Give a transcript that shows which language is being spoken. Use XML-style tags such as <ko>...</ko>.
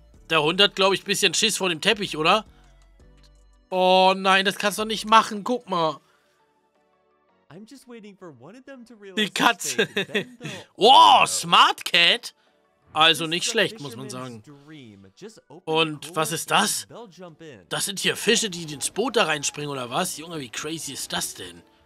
<de>Der Hund hat, glaube ich, ein bisschen Schiss vor dem Teppich, oder? Oh nein, das kannst du nicht machen. Guck mal.</de> <en>I'm just waiting for one of them to realize.</en> <de>Die Katze. Wow, Smart Cat. Also nicht schlecht, muss man sagen. Und was ist das? Das sind hier Fische, die ins Boot da reinspringen, oder was? Junge, wie crazy ist das denn?</de>